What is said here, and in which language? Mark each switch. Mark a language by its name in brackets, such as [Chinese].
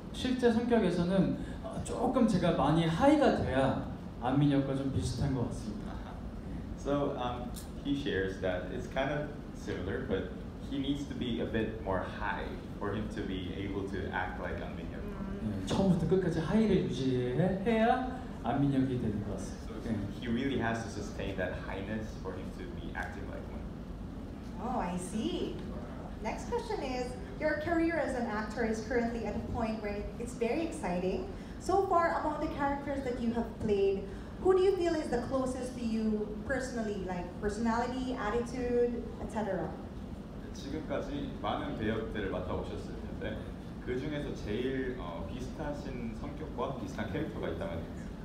[Korean] 실제 성격에서는 조금 제가 많이 하이가 돼야 안민혁과 좀 비슷한 것 같습니다. [English] So he shares that it's kind of similar, but he needs to be a bit more high for him to be able to act like 안민혁. [Korean] 처음부터 끝까지 하이를 유지해야 안민혁이 되는 것 같습니다. [English] He really has to sustain that highness for him to be acting like one. Oh, I see. Next question is, your career as an actor is currently at a point where it's very exciting. So far, among the characters that you have played, who do you feel is the closest to you personally, like personality, attitude, etc.? [Korean] 지금까지 많은 배역들을 맡아오셨을 텐데, 그 중에서 제일 비슷하신 성격과 비슷한 캐릭터가 있다면